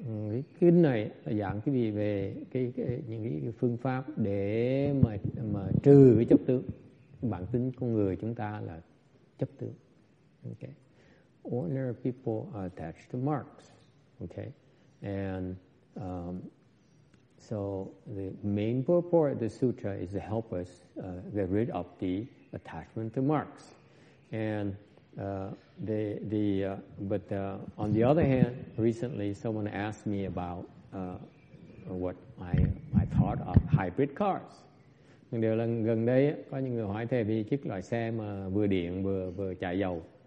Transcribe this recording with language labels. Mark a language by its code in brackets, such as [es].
[vi] Cái kinh này giảng cái gì về những cái phương pháp để mà trừ cái chấp tướng. Bản tính con người chúng ta là chấp tướng. [en] Okay. Ordinary people are attached to marks. Okay. And so the main purpose of the sutra is to help us get rid of the attachment to marks. And on the other hand, recently someone asked me about what I thought of hybrid cars. [vi] Điều là gần đây có những người hỏi thầy về chiếc loại xe mà vừa điện vừa chạy dầu.